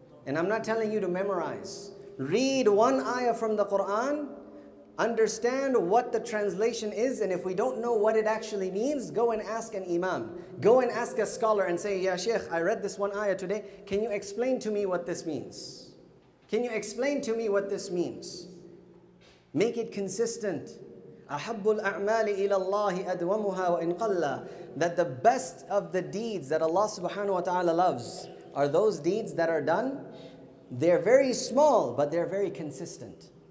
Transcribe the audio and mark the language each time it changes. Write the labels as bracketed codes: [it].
[en] And I'm not telling you to memorize. Read one ayah from the Quran, understand what the translation is, and if we don't know what it actually means, go and ask an imam. Go and ask a scholar and say, Ya Sheikh, I read this one ayah today. Can you explain to me what this means? Can you explain to me what this means? Make it consistent. [ar] أحب الأعمال إلى الله أدومها وإن قلّا. [en] That the best of the deeds that Allah subhanahu wa ta'ala loves are those deeds that are done. They're very small, but they're very consistent.